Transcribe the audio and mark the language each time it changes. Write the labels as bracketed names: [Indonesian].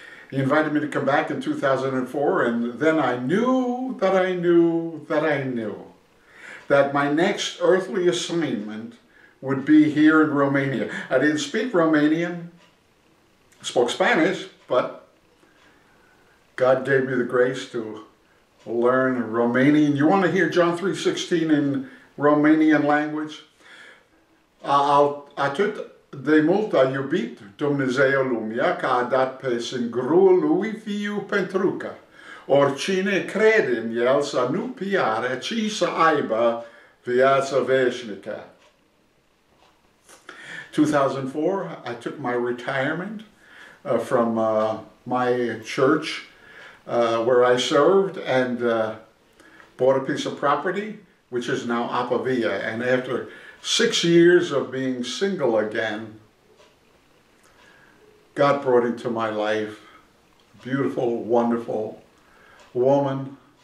[English] He invited me to come back in 2004, and then I knew that I knew that I knew that my next earthly assignment would be here in Romania. I didn't speak Romanian, I spoke Spanish, but God gave me the grace to learn Romanian. You want to hear John 3:16 in Romanian language? [Romanian] Atât de mult a iubit Dumnezeu lumea că a dat pe singurul lui fiu pentru că oricine crede în el să nu piară, ci să aibă viața veșnică. [English] 2004, I took my retirement from my church where I served, and bought a piece of property, which is now Apavia. And after 6 years of being single again, God brought into my life a beautiful, wonderful woman.